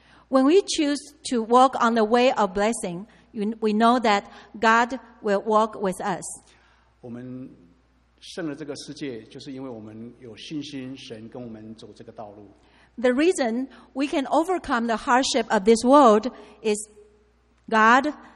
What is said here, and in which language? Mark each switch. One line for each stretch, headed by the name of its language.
English: When we choose to walk on the way of blessing, we know that God will walk with us.
Chinese: 我们胜了这个世界，就是因为我们有信心，神跟我们走这个道路。
English: The reason we can overcome the hardship of this world is God.